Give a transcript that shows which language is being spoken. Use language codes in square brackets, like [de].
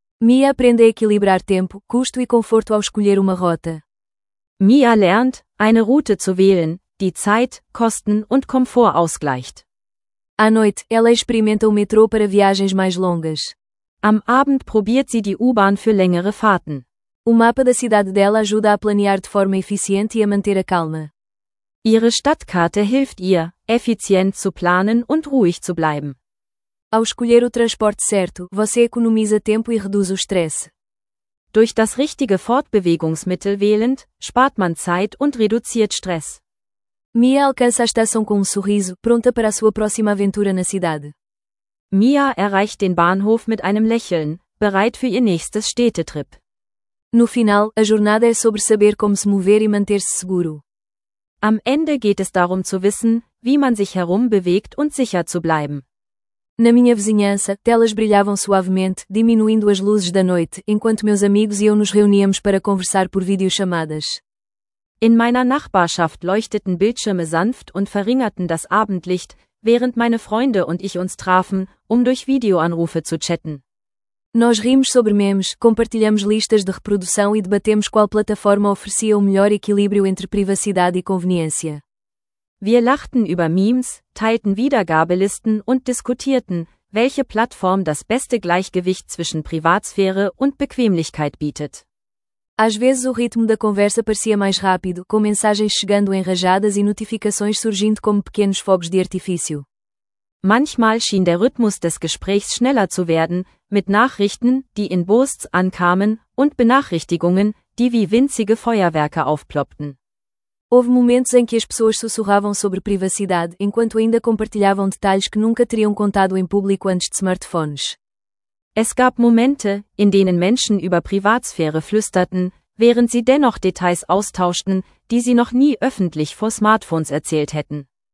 [pt] Mia aprende a equilibrar tempo, custo e conforto ao escolher uma rota. [de] Mia lernt, eine Route zu wählen, die Zeit, Kosten und Komfort ausgleicht. [pt] À noite, ela experimenta o metrô para viagens mais longas. [de] Am Abend probiert sie die U-Bahn für längere Fahrten. [pt] O mapa da cidade dela ajuda a planear de forma eficiente e a manter a calma. [de] Ihre Stadtkarte hilft ihr, effizient zu planen und ruhig zu bleiben. [pt] Ao escolher o transporte certo, você economiza tempo e reduz o estresse. [de] Durch das richtige Fortbewegungsmittel wählend, spart man Zeit und reduziert Stress. [pt] Mia alcança a estação com sorriso, pronta para a sua próxima aventura na cidade. [de] Mia erreicht den Bahnhof mit Lächeln, bereit für ihr nächstes Städtetrip. [pt] No final, a jornada é sobre saber como se mover e manter-se seguro. [de] Am Ende geht es darum zu wissen, wie man sich herum bewegt und sicher zu bleiben. [pt] Na minha vizinhança, telas brilhavam suavemente, diminuindo as luzes da noite, enquanto meus amigos e eu nos reuníamos para conversar por videochamadas. [de] In meiner Nachbarschaft leuchteten Bildschirme sanft und verringerten das Abendlicht, während meine Freunde und ich uns trafen, durch Videoanrufe zu chatten. [pt] Nós rimos sobre memes, compartilhamos listas de reprodução e debatemos qual plataforma oferecia o melhor equilíbrio entre privacidade e conveniência. [de] Wir lachten über Memes, teilten Wiedergabelisten und diskutierten, welche Plattform das beste Gleichgewicht zwischen Privatsphäre und Bequemlichkeit bietet. [pt] Às vezes o ritmo da conversa parecia mais rápido, com mensagens chegando em rajadas e notificações surgindo como pequenos fogos de artifício. [de] Manchmal schien der Rhythmus des Gesprächs schneller zu werden, mit Nachrichten, die in Bursts ankamen, und Benachrichtigungen, die wie winzige Feuerwerke aufploppten. [pt] Houve momentos em que as pessoas sussurravam sobre privacidade, enquanto ainda compartilhavam detalhes que nunca teriam contado em público antes de smartphones. [de] Es gab Momente, in denen Menschen über Privatsphäre flüsterten, während sie dennoch Details austauschten, die sie noch nie öffentlich vor Smartphones erzählt hätten.